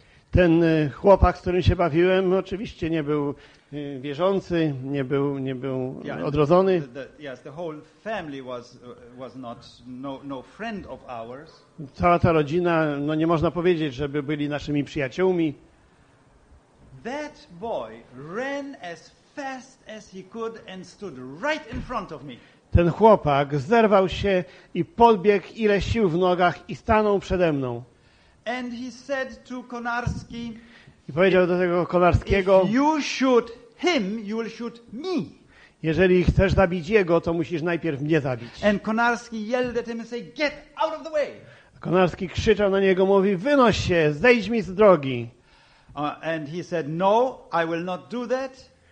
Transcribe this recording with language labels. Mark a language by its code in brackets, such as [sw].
[pl] Ten chłopak, z którym się bawiłem, oczywiście nie był wierzący, nie był [en] yeah, [pl] odrodzony. [en] Yes, the whole family was not no friend of ours. [pl] Cała ta rodzina, no nie można powiedzieć, żeby byli naszymi przyjaciółmi. [en] That boy ran as fast as he could and stood right in front of me. [pl] Ten chłopak zerwał się i podbiegł ile sił w nogach i stanął przede mną. [en] And he said to Konarski, [pl] i powiedział do tego Konarskiego: [en] "If you shoot him, you will shoot me." [pl] Jeżeli chcesz zabić jego, to musisz najpierw mnie zabić. [en] And Konarski yelled at him and said, "Get out of the way." [pl] Konarski krzyczał na niego, mówi: "Wynoś się, zejdź mi z drogi." [en] And he said, "No, I will not do that."